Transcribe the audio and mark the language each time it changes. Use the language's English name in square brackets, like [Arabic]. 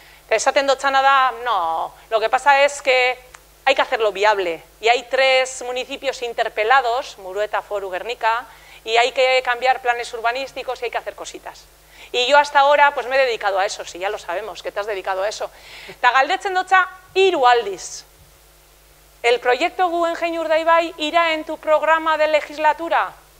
[Basque] Esaten dotxana da, [Spanish] no, lo que pasa es que hay que hacerlo viable. Y hay 3 municipios interpelados, Murueta, Foru, Gernika, y hay que cambiar planes urbanísticos y hay que hacer cositas. Y yo hasta ahora pues me he dedicado a eso, si ya lo sabemos, que te has dedicado a eso. [Basque] Eta galdetzen dotxa, hiru aldiz. [Spanish] El proyecto Guggenheim Urdaibai irá en tu programa de legislatura.